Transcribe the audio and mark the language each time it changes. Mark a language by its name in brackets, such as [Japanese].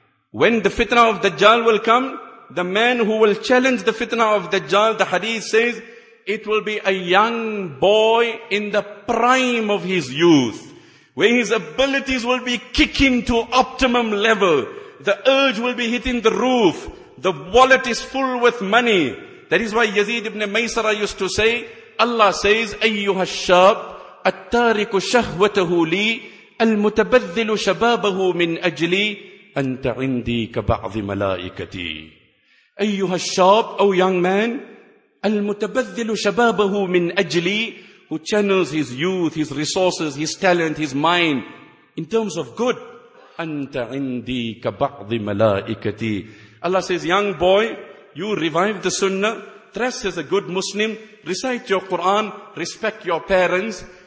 [English] When the fitna of Dajjal will come, the man who will challenge the fitna of Dajjal, the hadith says, it will be a young boy in the prime of his youth, where his abilities will be kicking to optimum level. The urge will be hitting the roof. The wallet is full with money. That is why Yazid ibn Maysara used to say, Allah says, [Arabic] أَيُّهَا الشَّابْ أَتَّارِكُ شَهْوَتَهُ لِي أَلْمُتَبَذِّلُ شَبَابَهُ مِنْ أَجْلِي أَنْتَ عِنْدِي كَبَعْضِ مَلَائِكَتِي. أَيُّهَا الشَّابْ, [English] O young man, [Arabic] المتبذل شبابه من أجلي, [English] who channels his youth, his resources, his talent, his mind in terms of good. [Arabic] أنت عندي كبعض ملائكتي. [English] Allah says, young boy, you revive the sunnah, dress as a good Muslim, recite your Quran, respect your parents,